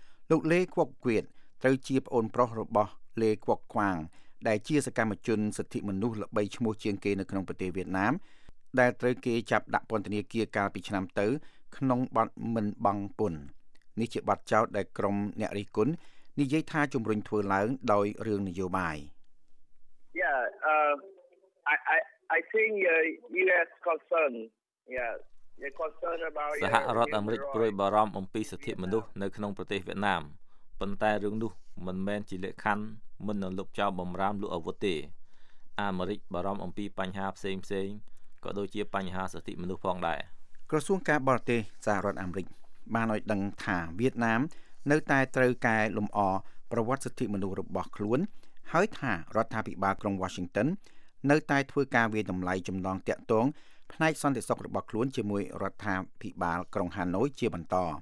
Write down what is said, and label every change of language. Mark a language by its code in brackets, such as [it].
[km] លោកលេខ្វុកគឿតត្រូវជាប្អូនប្រុសរបស់លេខ្វុកខ្វាងដែលជាសកម្មជនសិទ្ធិមនុស្សល្បីឈ្មោះជាងគេនៅក្នុងប្រទេសវៀតណាមដែលត្រូវគេចាប់ដាក់ពន្ធនាគារកាលពីឆ្នាំទៅក្នុងបទមិនបង់ពន្ធនេះជាបាត់ចោតដែលក្រុមអ្នករិះគន់និយាយថាជំរុញធ្វើឡើងដោយរឿងនយោបាយ [en] Yeah, I think US concern about [km] សហរដ្ឋអាមេរិកព្រួយបារម្ភអំពីសិទ្ធិមនុស្សនៅក្នុងប្រទេសវៀតណាមប៉ុន្តែរឿងនោះមិនមែនជាលក្ខខណ្ឌមិននឹងលុបចោលបំរាមលោកអាវុធទេអាមេរិកបារម្ភអំពីបញ្ហាផ្សេងផ្សេងក៏ដូចជាបញ្ហាសិទ្ធិមនុស្សផងដែរ ក្រសួងការបរទេសសហរដ្ឋអាមេរិកបានឲ្យដឹងថាវៀតណាមនៅតែត្រូវកែលម្អប្រវត្តិសិទ្ធិមនុស្សរបស់ខ្លួនហើយថារដ្ឋាភិបាលក្រុង Washington នៅតែធ្វើការវាយតម្លៃចំណងទាក់ទងផ្នែកសន្តិសុខរបស់ខ្លួនជាមួយរដ្ឋាភិបាលក្រុង Hanoi ជាបន្ត